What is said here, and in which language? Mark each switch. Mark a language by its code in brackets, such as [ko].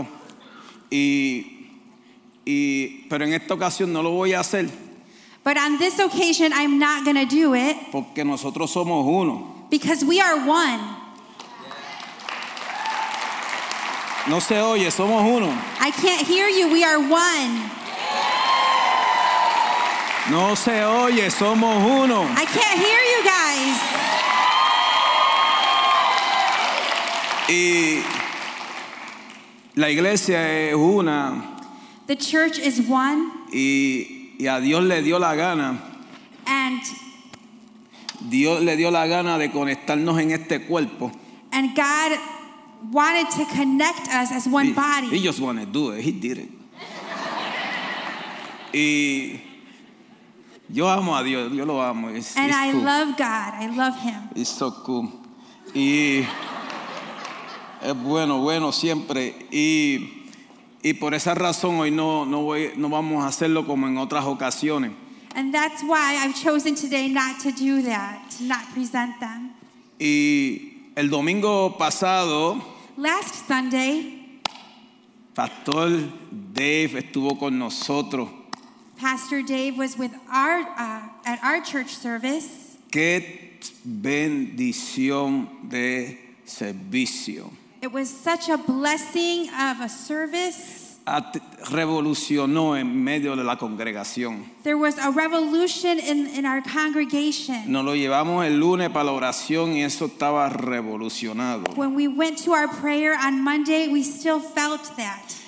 [es] Pero en esta ocasión no lo voy a hacer. [en] But on this occasion, I'm not going to do it. [es] Porque nosotros somos uno. [en] Because we are one. [es] No se oye, somos uno. [en] I can't hear you, we are one. [es] No se oye, somos uno. [en] I can't hear you guys. [es] Y la iglesia es una. [en] The church is one. [es] Y a Dios le dio la gana. [en] And [es] Dios le dio la gana de conectarnos en este cuerpo. [en] And God wanted to connect us as one body. He just wanted to do it. He did it. [es] Y yo amo a Dios. Yo lo amo. [en] And I love God. I love him. It's so cool. [es] Y es bueno, bueno siempre. Y por esa razón hoy no vamos a hacerlo como en otras ocasiones. [en] And that's why I've chosen today not to do that, to not present them. [es] Y el domingo pasado, [en] last Sunday, [es] Pastor Dave estuvo con nosotros. [en] Pastor Dave was with our at our church service. [es] Qué bendición de servicio. [en] It was such a blessing of a service. [es] Revolucionó en medio de la congregación. [en] There was a revolution in our congregation. [es] Nos lo llevamos el lunes para la oración y eso estaba revolucionado. [en] When we went to our prayer on Monday, we still felt that.